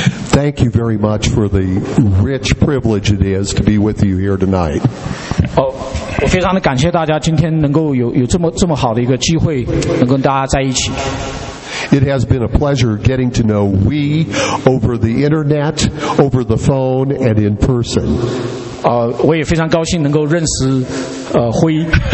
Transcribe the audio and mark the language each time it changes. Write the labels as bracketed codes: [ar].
[en] Thank you very much for the rich privilege it is to be with you here tonight. [zh] 我非常的感谢大家今天能够有这么好的一个机会能跟大家在一起。 [en] It has been a pleasure getting to know we over the internet, over the phone, and in person. [zh] 我也非常高兴能够认识辉。